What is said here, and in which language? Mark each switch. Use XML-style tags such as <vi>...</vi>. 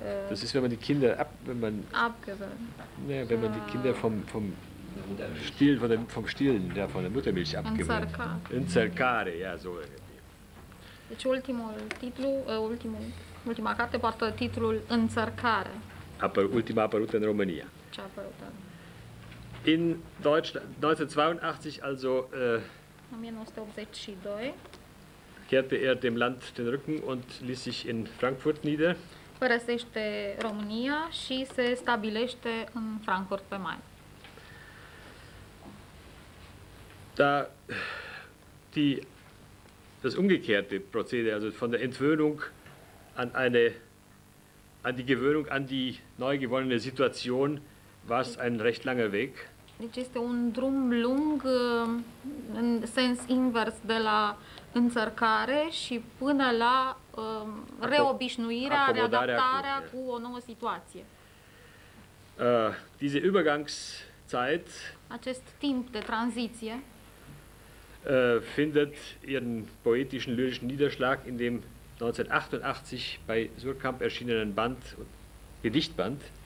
<de>Das ist, wenn man die Kinder ab, wenn man abgewöhnt. Ja, wenn man die Kinder vom Stillen, ja, von der Muttermilch abgewöhnt. Înțărcare, ja, so.</de> <ro>Deci ultimul titlu, ultimul, ultima carte poartă titlul Înțărcare. Ultima apărută în România. Ce a apărut?</ro> <de>In Deutschland 1982, also 1982. Kehrte er dem Land den Rücken und ließ sich in Frankfurt nieder.</de> <ro>Părăsește România și se stabilește în Frankfurt pe Main.</ro> <de>Da die das umgekehrte Prozedere, also von der Entwöhnung an eine an die Gewöhnung an die neu gewonnene Situation, war es ein recht langer Weg.</de> <ro>Deci este un drum lung în sens invers de la înțărcare și până la reobișnuirea, readaptarea cu o nouă situație.</ro> <de>Diese Übergangszeit,</de> <ro>acest timp de tranziție,</ro> <de>findet ihren poetischen lyrischen Niederschlag in dem 1988 bei Surkamp erschienenen Band, Gedichtband.</de>